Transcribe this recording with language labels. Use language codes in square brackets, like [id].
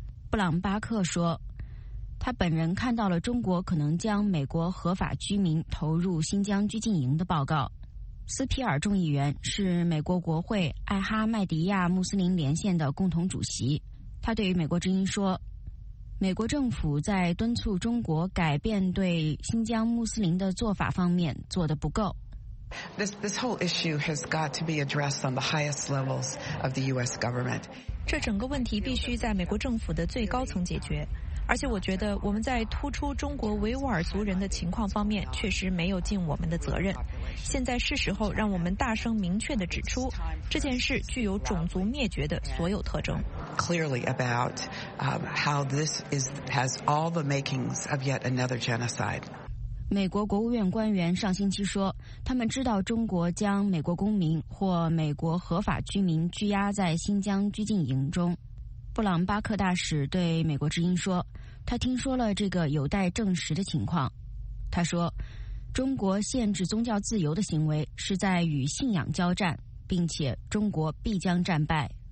[zh] 布朗巴克说，他本人看到了中国可能将美国合法居民投入新疆拘禁营的报告。斯皮尔众议员是美国国会艾哈迈迪亚穆斯林连线的共同主席。他对于美国之音说，美国政府在敦促中国改变对新疆穆斯林的做法方面做得不够。 [en] This whole issue has got to be addressed on the highest levels of the U.S. government. [zh] 这整个问题必须在美国政府的最高层解决，而且我觉得我们在突出中国维吾尔族人的情况方面确实没有尽我们的责任。现在是时候让我们大声明确地指出，这件事具有种族灭绝的所有特征。 [en] Clearly about how this has all the makings of yet another genocide. [zh] 美国国务院官员上星期说，他们知道中国将美国公民或美国合法居民拘押在新疆拘禁营中。布朗巴克大使对美国之音说，他听说了这个有待证实的情况。他说，中国限制宗教自由的行为是在与信仰交战，并且中国必将战败。